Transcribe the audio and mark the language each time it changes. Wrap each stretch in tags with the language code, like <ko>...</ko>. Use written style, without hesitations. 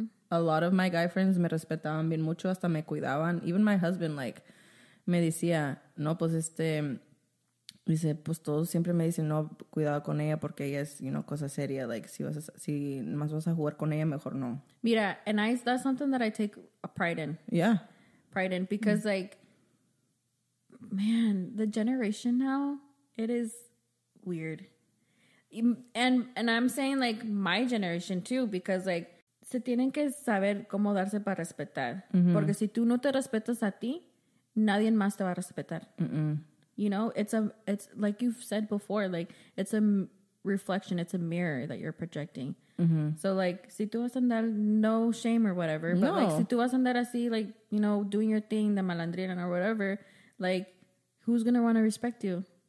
<es>A lot of my guy friends me respetaban bien mucho, hasta me cuidaban. Even my husband, like, me decía, no, pues este, dice, pues todos siempre me dicen, no, cuidado con ella porque ella es, you know, cosa seria. Like, si más vas a jugar con ella, mejor no.</es> <en>Mira, and that's something that I take a pride in. Yeah. Pride in, because, like, man, the generation now, it is weird. And I'm saying, like, my generation too, because, like, se tienen que saber cómo darse para respetar.</en> <es>Porque si tú no te respetas a ti, nadie más te va a respetar.</es> <en>You know, it's like you've said before, like, it's a reflection, it's a mirror that you're projecting. So, like, si tú vas a andar, no shame or whatever, no. But, like, si tú vas a andar así, like, you know, doing your thing, the malandrina or whatever, like, who's going to want to respect you?</en>